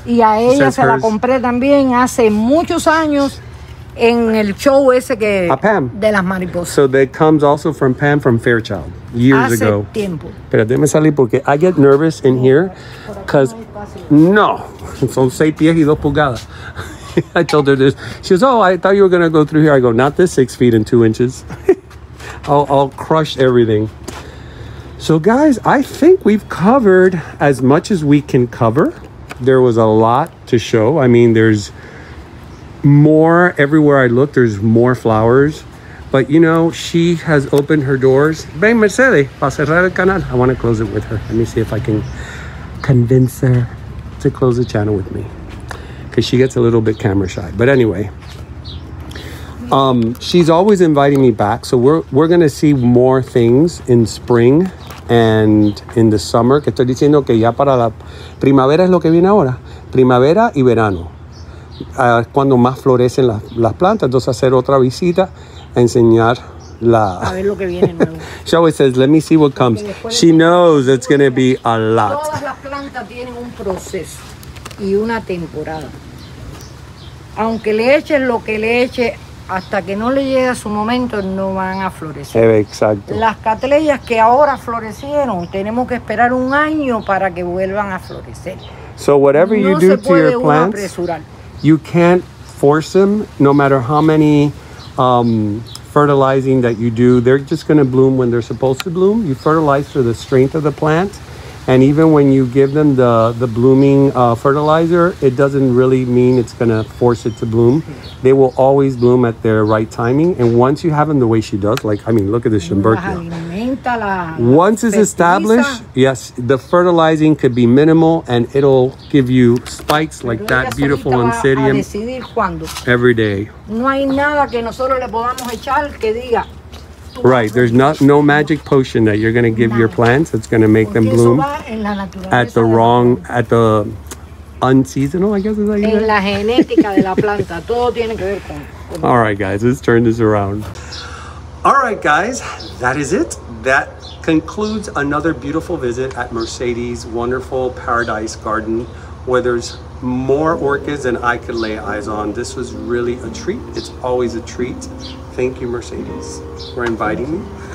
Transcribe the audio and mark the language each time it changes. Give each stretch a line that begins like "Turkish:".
Spanish: Y a ella se la compré también hace muchos años en el show ese que a Pam. De las mariposas.
English: So that comes also from Pam from Fairchild years
Spanish: hace
English: ago.
Spanish: Hace tiempo. Pero déjame salir porque
English: I get nervous in here because
Spanish: no, son 6 pies y 2 pulgadas.
English: I told her this. She goes, oh, I thought you were going to go through here. I go, not this 6 feet and 2 inches. I'll crush everything. So guys, I think we've covered as much as we can cover. There was a lot to show. I mean, there's more everywhere I look. There's more flowers. But you know, she has opened her doors.
Spanish: Ven, Mercedes, para cerrar el canal.
English: I want to close it with her. Let me see if I can convince her to close the channel with me. Because she gets a little bit camera shy. But anyway. She's always inviting me back, so we're going to see more things in spring and in the summer.
Spanish: Que estoy diciendo que ya para la primavera es lo que viene ahora. Primavera y verano. Es cuando más florecen las plantas. Entonces, hacer otra visita, enseñar la... A ver lo que viene nuevo.
English: She always says, let me see what comes. She knows it's going to be a lot.
Spanish: Todas las plantas tienen un proceso y una temporada. Aunque le eches lo que le eche, hasta que no le llegue su momento, no van a florecer. Exacto. Las catleyas que ahora florecieron, tenemos que esperar un año para que vuelvan a florecer.
English: So whatever
Spanish: no
English: you do to your plants,
Spanish: apresurar.
English: You can't force them, no matter how many fertilizing that you do. They're just going to bloom when they're supposed to bloom. You fertilize for the strength of the plant. And even when you give them the blooming fertilizer, it doesn't really mean it's going to force it to bloom. They will always bloom at their right timing. And once you have them the way she does, like, I mean, look at the shimbercula. Once it's established, yes, the fertilizing could be minimal and it'll give you spikes like that beautiful oncidium every day.
Spanish: No hay nada que nosotros le podamos echar que diga,
English: Right, there's not no magic potion that you're going to give your plants that's going to make them bloom at the wrong, at the unseasonal, I guess is that you
Spanish: En la genética de la planta, todo tiene que ver con...
English: All right, guys, let's turn this around. All right, guys, that is it. That concludes another beautiful visit at Mercedes' wonderful paradise garden, where there's more orchids than I could lay eyes on. This was really a treat. It's always a treat. Thank you, Mercedes, for inviting me.